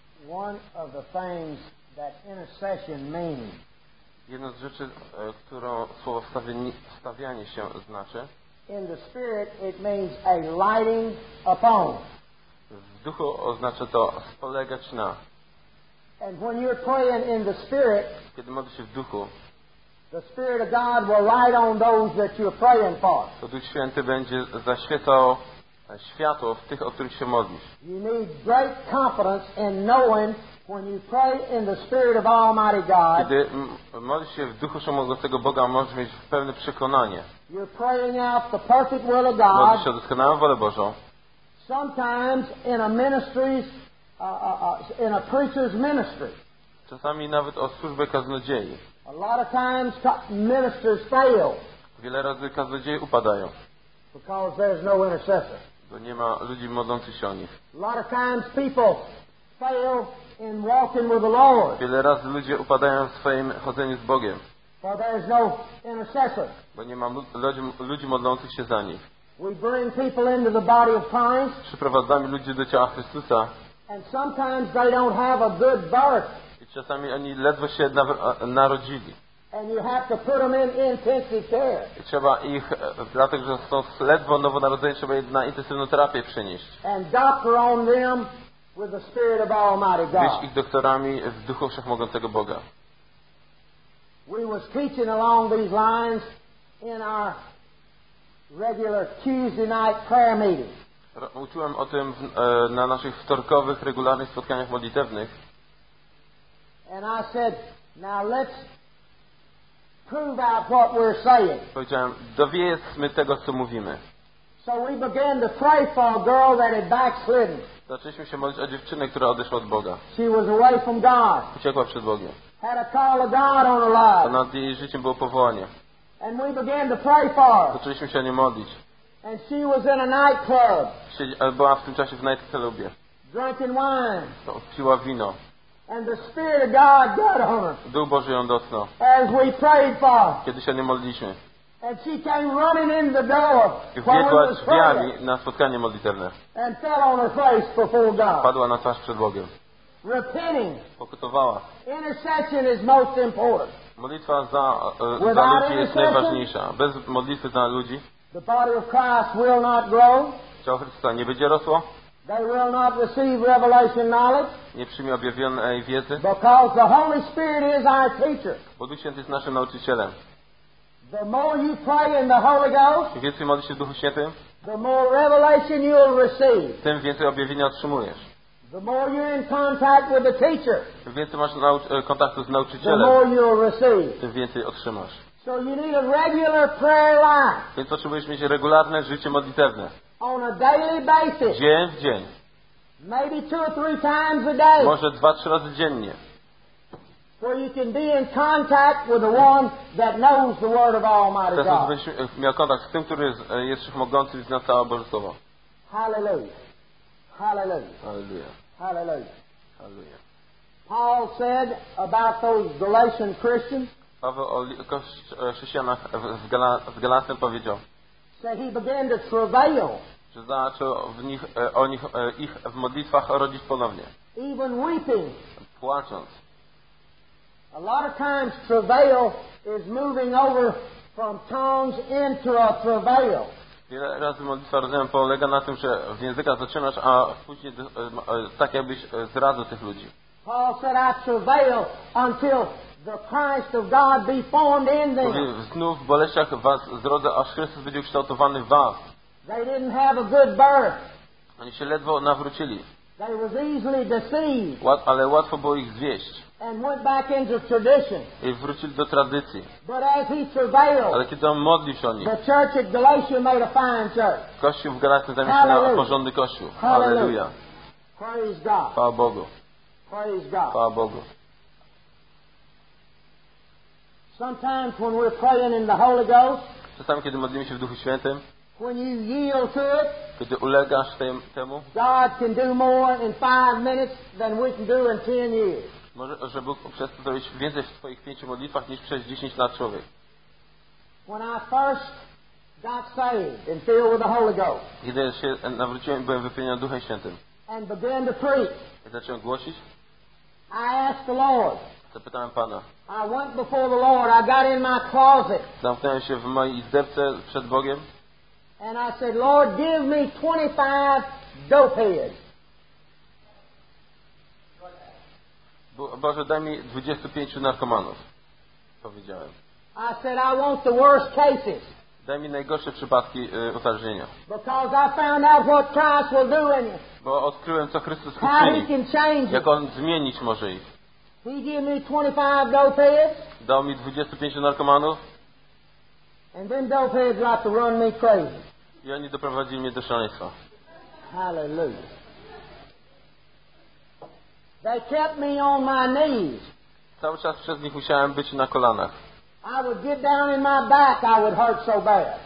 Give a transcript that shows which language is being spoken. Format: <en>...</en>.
<en>one of the things that intercession means.</en> <pl>Jedna z rzeczy, którą słowo stawianie się znaczy.</pl> <en>In the spirit it means a lighting upon.</en> <pl>W duchu oznacza to spolegać na.</pl> <en>And when you're praying in the spirit,</en> <pl>kiedy modlisz się w duchu,</pl> <en>the Spirit of God will light on those that you're praying for.</en> <pl>To Duch Święty będzie zaświecał światło w tych, o których się modlisz.</pl> <en>You need great confidence in knowing when you pray in the Spirit of Almighty God.</en> <pl>Kiedy modlisz się w duchu wszechmogącego Boga, możesz mieć pewne przekonanie.</pl> <en>You're praying out the perfect will of God.</en> <pl>Modlisz się o doskonałą wolę Bożą.</pl> <en>Sometimes in a ministry's, in a preacher's ministry.</en> <pl>Czasami nawet o służbę kaznodziei.</pl> <en>A lot of times ministers fail.</en> <pl>Wiele razy kaznodzieje upadają.</pl> <en>Because there's no intercessor.</en> <pl>Bo nie ma ludzi modlących się o nich.</pl> <en>A lot of times people fail in walking with the Lord.</en> <pl>Wiele razy ludzie upadają w swoim chodzeniu z Bogiem.</pl> <en>For there's no intercessor.</en> <pl>Bo nie ma ludzi modlących się za nich.</pl> <en>We bring people into the body of Christ.</en> <pl>Przyprowadzamy ludzi do ciała Chrystusa.</pl> <en>And sometimes they don't have a good birth.</en> <pl>Czasami oni ledwo się narodzili.</pl> <en>And you have to put them in intensive care.</en> <pl>I trzeba ich, dlatego że są ledwo nowonarodzeni, trzeba ich na intensywną terapię przenieść.</pl> <en>And doctor on them with the Spirit of Almighty God.</en> <pl>Być ich doktorami w duchu wszechmogącego Boga.</pl> <en>We was teaching along these lines in our regular Tuesday night prayer meeting.</en> <pl>Uczyłem o tym na naszych wtorkowych, regularnych spotkaniach modlitewnych.</pl> <en>And I said, now let's prove out what we're saying.</en> <pl>Powiedziałem, dowiedzmy tego, co mówimy.</pl> <en>So we began to pray for a girl that had backslidden.</en> <pl>Zaczęliśmy się modlić o dziewczynę, która odeszła od Boga.</pl> <en>She was away from God.</en> <pl>Uciekła przed Bogiem.</pl> <en>Had a call of God on her life.</en> <pl>To nad jej życiem było powołanie.</pl> <en>And we began to pray for her.</en> <pl>Zaczęliśmy się o nią modlić.</pl> <en>And she was in a nightclub.</en> <pl>Była w tym czasie w nightclubie.</pl> <en>Drinking wine.</en> <pl>To piła wino.</pl> <en>And the Spirit of God got on her.</en> <pl>Duch Boży ją dotknął.</pl> <en>As we prayed for.</en> <pl>Kiedy się nie modliliśmy.</pl> <en>And she came running in the door.</en> <pl>Wbiegła drzwiami na spotkanie modlitewne.</pl> <en>And fell on her face before God.</en> <pl>Padła na twarz przed Bogiem.</pl> <en>Repenting.</en> <pl>Pokutowała.</pl> <en>Intercession is most important.</en> <pl>Modlitwa za ludzi jest najważniejsza. Bez modlitwy za ludzi.</pl> <en>The body of Christ will not grow.</en> <pl>Ciało Chrystusa nie będzie rosło.</pl> <en>They will not receive revelation knowledge.</en> <pl>Nie przyjmie objawionej wiedzy.</pl> <en>Because the Holy Spirit is our teacher.</en> <pl>Bo Duch Święty jest naszym nauczycielem.</pl> <en>The more you pray in the Holy Ghost.</en> <pl>Im więcej modlisz się w Duchu Świętym.</pl> <en>The more revelation you will receive.</en> <pl>Tym więcej objawienia otrzymujesz.</pl> <en>The more you're in contact with the teacher.</en> <pl>Im więcej masz kontaktu z nauczycielem.</pl> <en>The more you will receive.</en> <pl>Tym więcej otrzymasz.</pl> <en>So you need a regular prayer life.</en> <pl>Więc potrzebujesz mieć regularne życie modlitewne.</pl> <en>On a daily basis.</en> <pl>Dzień w dzień.</pl> <en>Maybe two or three times a day.</en> <pl>Może 2-3 razy dziennie.</pl> <en>Where you can be in contact with the one that knows the word of Almighty God.</en> <pl>Będziesz miał kontakt z tym, który jest wszechmogący i zna całe Boże Słowo.</pl> <en>Hallelujah. Hallelujah. Hallelujah. Hallelujah. Hallelujah. Paul said about those Galatian Christians.</en> <pl>Paweł o chrześcijanach w Galatem powiedział.</pl> <en>So he began to travail.</en> <pl>Że zaczął w nich, o nich, ich w modlitwach rodzić ponownie.</pl> <en>Even weeping.</en> <pl>Płacząc.</pl> <en>A lot of times travail is moving over from tongues into a travail.</en> <pl>Wiele razy modlitwa rodzenia polega na tym, że w językach zaczynasz, a później tak jakbyś zdradzał tych ludzi.</pl> <en>Paul said, I travail until the Christ of God be formed in them.</en> <pl>Znów w boleściach was zrodzę, aż Chrystus będzie ukształtowany w was.</pl> <en>They didn't have a good birth.</en> <pl>Oni się ledwo nawrócili.</pl> <en>They was easily deceived.</en> <pl>Ale łatwo było ich zwieść.</pl> <en>And went back into tradition.</en> <pl>I wrócili do tradycji.</pl> <en>But as he travailed,</en> <pl>ale kiedy on modlił się o nich,</pl> <en>the church at Galatia made a fine church.</en> <pl>Kościół w Galacji zamieszczał na porządny kościół.</pl> <en>Hallelujah. Praise God.</en> <pl>Chwała Bogu.</pl> <en>Praise God.</en> <pl>Chwała Bogu.</pl> <en>Sometimes when we're praying in the Holy Ghost,</en> <pl>czasami kiedy modlimy się w Duchu Świętym,</pl> <en>when you yield to it,</en> <pl>kiedy ulegasz temu,</pl> <en>God can do more in 5 minutes than we can do in 10 years.</en> <pl>Może, że Bóg przez to zrobić więcej w swoich 5 modlitwach niż przez 10 lat człowiek.</pl> <en>When I first got saved and filled with the Holy Ghost,</en> <pl>kiedy się nawróciłem i byłem wypełniony Duchem Świętym,</pl> <en>and began to preach,</en> <pl>i zacząłem głosić,</pl> <en>I asked the Lord.</en> <pl>Zapytałem Pana.</pl> <en>I went before the Lord. I got in my closet.</en> <pl>Zamknąłem się w mojej izdebce przed Bogiem.</pl> <en>And I said, Lord, give me 25 dope heads.</en> <pl>Boże, daj mi 25 narkomanów. Powiedziałem.</pl> <en>I said, I want the worst cases.</en> <pl>Daj mi najgorsze przypadki uzależnienia.</pl> <en>Because I found out what Christ will do in it.</en> <pl>Bo odkryłem, co Chrystus uczyni. Jak On zmienić może ich.</pl> <en>He gave me 25 dope heads.</en> <pl>Dał mi 25 narkomanów.</pl> <en>And then dope heads like to run me crazy.</en> <pl>I oni doprowadzili mnie do szaleństwa.</pl> <en>Hallelujah. They kept me on my knees.</en> <pl>Cały czas przez nich musiałem być na kolanach.</pl> <en>I would get down in my back, I would hurt so bad.</en>